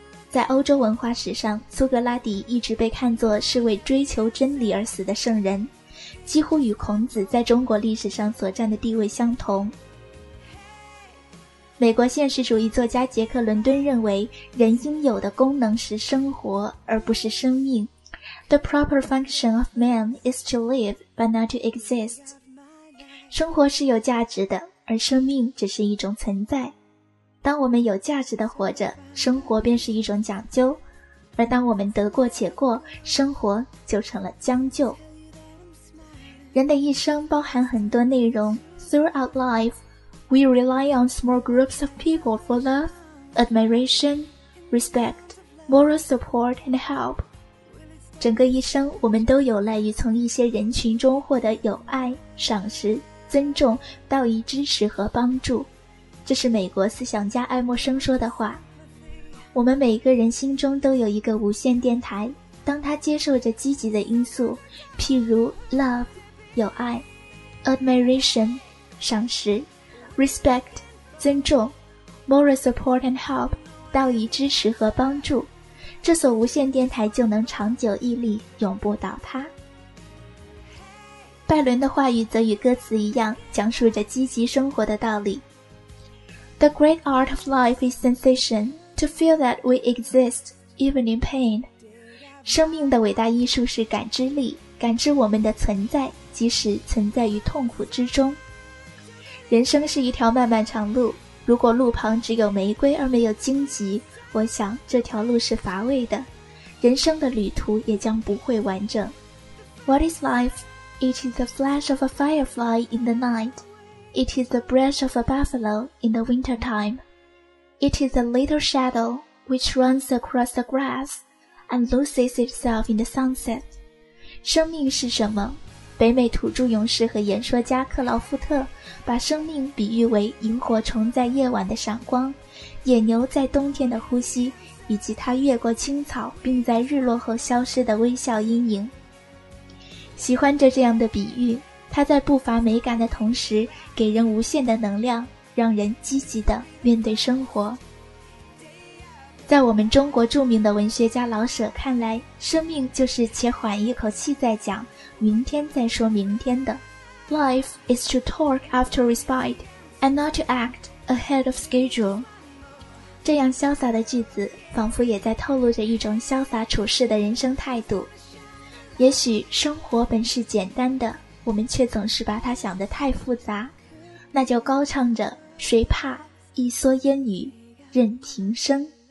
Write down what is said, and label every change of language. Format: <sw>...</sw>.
<zh>在欧洲文化史上，苏格拉底一直被看作是为追求真理而死的圣人，几乎与孔子在中国历史上所占的地位相同。美国现实主义作家杰克·伦敦认为，人应有的功能是生活，而不是生命。</zh> <en>The proper function of man is to live, but not to exist.</en> <zh>生活是有价值的，而生命只是一种存在。当我们有价值地活着，生活便是一种讲究，而当我们得过且过，生活就成了将就。人的一生包含很多内容。</zh> <en>Throughout life, we rely on small groups of people for love, admiration, respect, moral support and help.</en> <zh>整个一生我们都有赖于从一些人群中获得友爱、赏识、尊重、道义支持和帮助。这是美国思想家爱默生说的话。我们每个人心中都有一个无线电台，当它接受着积极的因素，譬如 love 友爱， admiration 赏识， respect 尊重，</zh> <en>moral support and help</en> <zh>道义支持和帮助，这所无线电台就能长久屹立，永不倒塌。拜伦的话语则与歌词一样，讲述着积极生活的道理。</zh> <en>The great art of life is sensation, to feel that we exist, even in pain.</en> <zh>生命的伟大艺术是感知力，感知我们的存在，即使存在于痛苦之中。人生是一条漫漫长路，如果路旁只有玫瑰而没有荆棘，我想这条路是乏味的，人生的旅途也将不会完整。</zh> <en>What is life? It is the flash of a firefly in the night. It is the breath of a buffalo in the winter time. It is a little shadow which runs across the grass and loses itself in the sunset.</en> <zh>生命是什么？北美土著勇士和演说家克劳夫特把生命比喻为萤火虫在夜晚的闪光，野牛在冬天的呼吸，以及它越过青草并在日落后消失的微笑阴影。喜欢着这样的比喻，它在不乏美感的同时，给人无限的能量，让人积极地面对生活。在我们中国著名的文学家老舍看来，生命就是且缓一口气再讲，明天再说明天的。</zh> <en>Life is to talk after respite, and not to act ahead of schedule.</en> <zh>这样潇洒的句子，仿佛也在透露着一种潇洒处事的人生态度。也许生活本是简单的，我们却总是把它想得太复杂，那就高唱着谁怕一蓑烟雨任平生。</zh>